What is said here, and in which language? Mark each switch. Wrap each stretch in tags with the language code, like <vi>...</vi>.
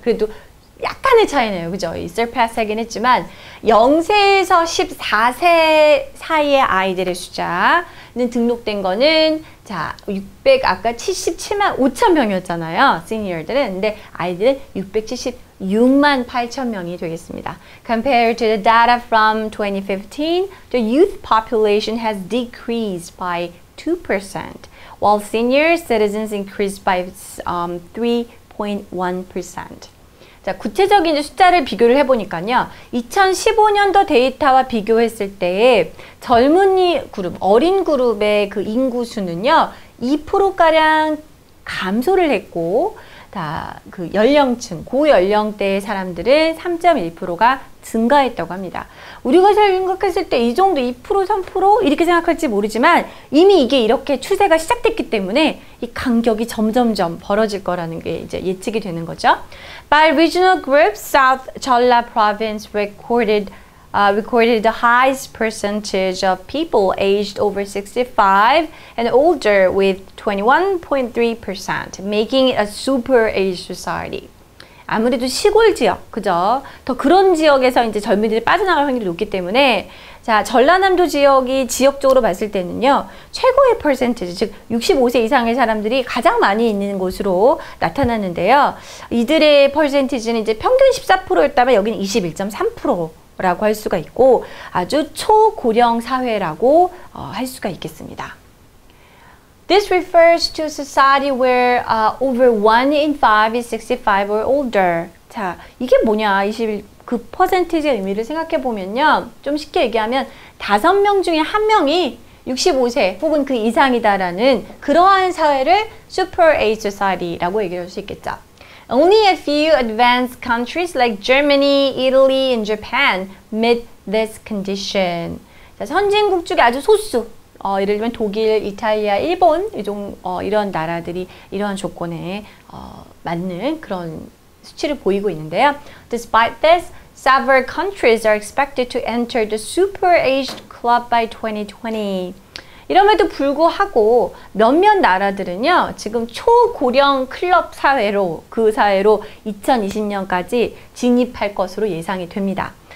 <ko>그래도 약간의 차이네요. 그죠? surpass 하긴 했지만, 0세에서 14세 사이의 아이들의 숫자는 등록된 거는, 자, 600, 아까 77만 5천 명이었잖아요. 시니어들은. 근데 아이들은 676만 8천 명이 되겠습니다.</ko> <en>Compared to the data from 2015, the youth population has decreased by 2%, while senior citizens increased by 3.1%.</en> <ko>자, 구체적인 숫자를 비교를 해보니까요. 2015년도 데이터와 비교했을 때 젊은이 그룹, 어린 그룹의 그 인구수는요, 2%가량 감소를 했고, 다그 연령층, 고연령대의 사람들은 3.1%가 증가했다고 합니다. 우리가 생각했을 때이 정도 2%, 3% 이렇게 생각할지 모르지만, 이미 이게 이렇게 추세가 시작됐기 때문에 이 간격이 점점점 벌어질 거라는 게 이제 예측이 되는 거죠.</ko> <en>By regional group, South Jeolla Province recorded the highest percentage of people aged over 65 and older with 21.3%, making it a super age society.</en> <ko>아무래도 시골 지역, 그죠? 더 그런 지역에서 이제 젊은이들이 빠져나갈 확률이 높기 때문에, 자, 전라남도 지역이 지역적으로 봤을 때는요, 최고의 퍼센티지, 즉 65세 이상의 사람들이 가장 많이 있는 곳으로 나타났는데요. 이들의 퍼센티지는 이제 평균 14%였다면 여기는 21.3%라고 할 수가 있고, 아주 초고령 사회라고 할 수가 있겠습니다.</ko> <en>This refers to society where over one in five is 65 or older.</en> <ko>자, 이게 뭐냐? 20, 그 퍼센티지의 의미를 생각해 보면요. 좀 쉽게 얘기하면 다섯 명 중에 한 명이 65세 혹은 그 이상이다라는, 그러한 사회를</ko> <en>super age society</en> <ko>라고 얘기를 할수 있겠죠.</ko> <en>Only a few advanced countries like Germany, Italy, and Japan meet this condition.</en> <ko>자, 선진국 중에 아주 소수. 예를 들면 독일, 이탈리아, 일본, 이런 나라들이 이러한 조건에 맞는 그런 수치를 보이고 있는데요.</ko> <en>Despite this, several countries are expected to enter the super aged club by 2020.</en> <ko>이럼에도 불구하고 몇몇 나라들은요, 지금 초고령 클럽 사회로, 그 사회로 2020년까지 진입할 것으로 예상이 됩니다.</ko>